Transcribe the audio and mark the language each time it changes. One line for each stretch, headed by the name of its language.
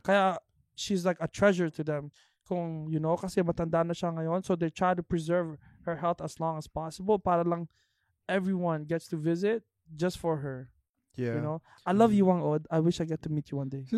English: Kaya, she's like a treasure to them.
Filipino: Kung,
English: you know,
Filipino: kasi matanda na siya ngayon.
English: So they try to preserve her health as long as possible
Filipino: para lang
English: everyone gets to visit just for her. Yeah. You know? I love you, Wang Od. I wish I get to meet you one day.